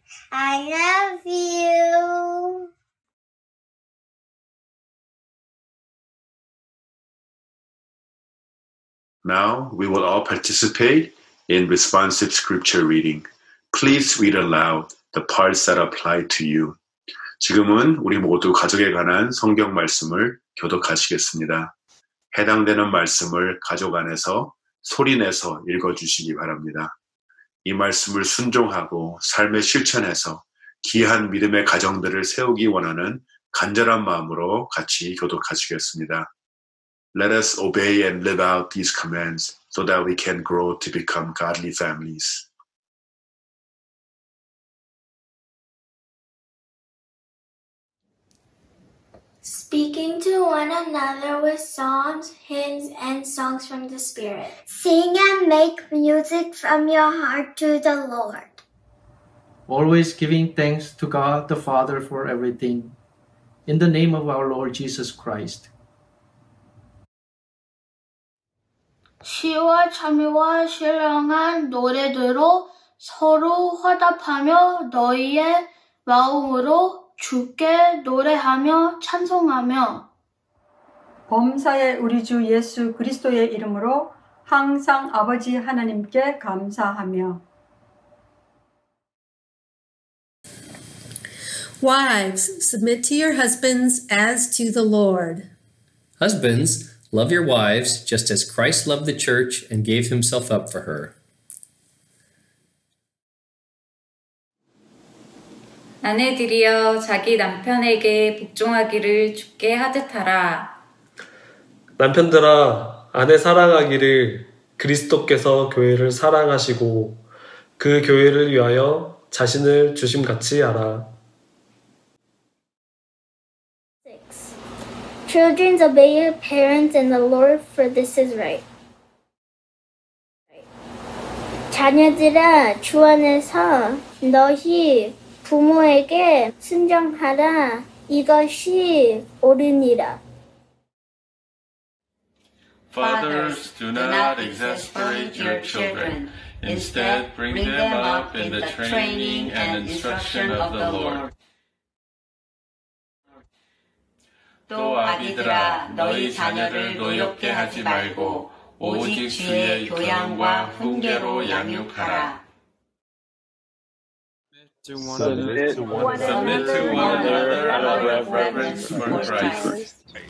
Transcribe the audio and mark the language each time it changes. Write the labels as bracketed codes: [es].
[en] I love you. Now we will all participate in responsive scripture reading. Please read aloud the parts that apply to you. [ko] 지금은 우리 모두 가족에 관한 성경 말씀을 교독하시겠습니다. 해당되는 말씀을 가족 안에서 소리 내서 읽어주시기 바랍니다. 이 말씀을 순종하고 삶에 실천해서 귀한 믿음의 가정들을 세우기 원하는 간절한 마음으로 같이 교독하시겠습니다. [en] Let us obey and live out these commands so that we can grow to become godly families. 'Speaking to one another with psalms, hymns, and songs from the Spirit. Sing and make music from your heart to the Lord. Always giving thanks to God the Father for everything. In the name of our Lord Jesus Christ. [ko] 시와 찬미와 신령한 노래들로 서로 화답하며 너희의 마음으로 주께 노래하며 찬송하며 범사의 우리 주 예수 그리스도의 이름으로 항상 아버지 하나님께 감사하며 [en] Wives, submit to your husbands as to the Lord. Husbands, love your wives just as Christ loved the church and gave himself up for her. [ko] 아내들이여 자기 남편에게 복종하기를 주께 하듯하라. 남편들아, 아내 사랑하기를 그리스도께서 교회를 사랑하시고 그 교회를 위하여 자신을 주심같이 하라. [en] Children, obey your parents in the Lord, for this is right. [ko] 자녀들아, 주 안에서 너희 부모에게 순종하라. 이것이 옳으니라. [en] Fathers, do not exasperate your children. Instead, bring them up in the training and instruction of the Lord. [ko] 또 아비들아, 너희 자녀를 노엽게 하지 말고 오직 주의 교양과 훈계로 양육하라. [en] Submit to one another out of reverence for Christ.